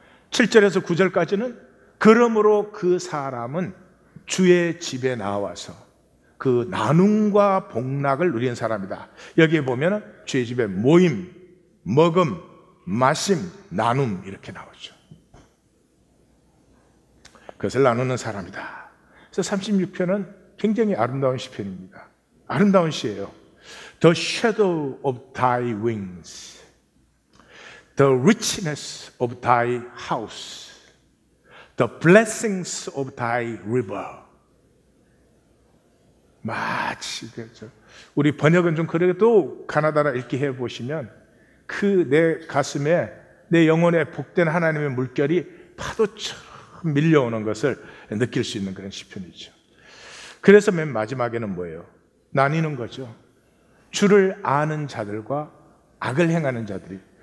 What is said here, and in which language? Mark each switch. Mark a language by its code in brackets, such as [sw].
[ko] 7절에서 9절까지는 그러므로 그 사람은 주의 집에 나와서 그 나눔과 복락을 누린 사람이다. 여기에 보면 주의 집에 모임, 먹음, 마심, 나눔 이렇게 나오죠. 그것을 나누는 사람이다. 그래서 36편은 굉장히 아름다운 시편입니다. 아름다운 시예요. [en] The shadow of thy wings, the richness of thy house, the blessings of thy river. [ko] 마치 우리 번역은 좀 그래도 가나다라 읽기 해보시면 그 내 가슴에 내 영혼에 복된 하나님의 물결이 파도처럼 밀려오는 것을 느낄 수 있는 그런 시편이죠. 그래서 맨 마지막에는 뭐예요? 나뉘는 거죠. 주를 아는 자들과 악을 행하는 자들이.